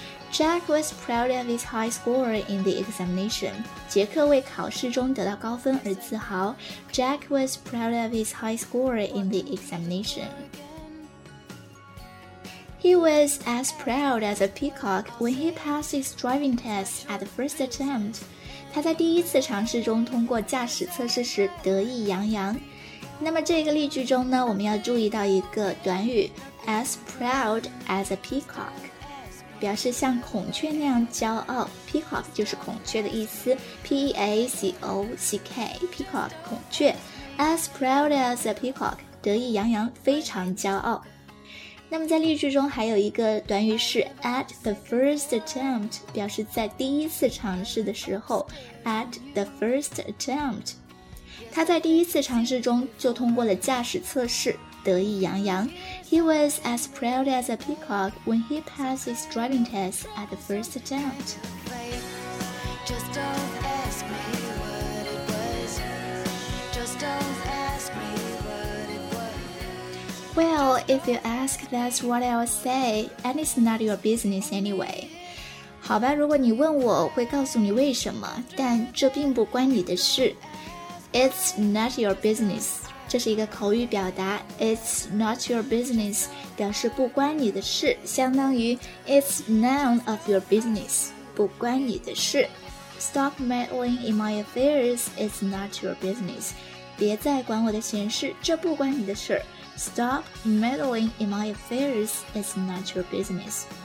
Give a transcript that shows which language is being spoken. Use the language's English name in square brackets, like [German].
[English] Jack was proud of his high score in the examination. [Chinese] 杰克为考试中得到高分而自豪。 [English] Jack was proud of his high score in the examination. He was as proud as a peacock when he passed his driving test at the first attempt. [Chinese] 他在第一次尝试中通过驾驶测试时得意洋洋。那么这个例句中呢，我们要注意到一个短语 [English] as proud as a peacock， [Chinese] 表示像孔雀那样骄傲。 Peacock 就是孔雀的意思 ，P-E-A-C-O-C-K， peacock 孔雀。 [English] As proud as a peacock， [Chinese] 得意洋洋，非常骄傲。那么在例句中还有一个短语是 [English] at the first attempt， [Chinese] 表示在第一次尝试的时候。 [English] at the first attempt， [Chinese] 他在第一次尝试中就通过了驾驶测试，得意洋洋。 [English] He was as proud as a peacock when he passed his driving test at the first attempt. Just don't ask me what it was. Just don'tWell, if you ask, that's what I'll say, and it's not your business anyway. [Chinese] 好吧，如果你问我，会告诉你为什么，但这并不关你的事。 [English] It's not your business. [Chinese] 这是一个口语表达。 [English] It's not your business [Chinese] 表示不关你的事，相当于 [English] It's none of your business. [Chinese] 不关你的事。 [English] Stop meddling in my affairs. It's not your business. [Chinese] 别再管我的闲事，这不关你的事。 [English] Stop meddling in my affairs, it's not your business.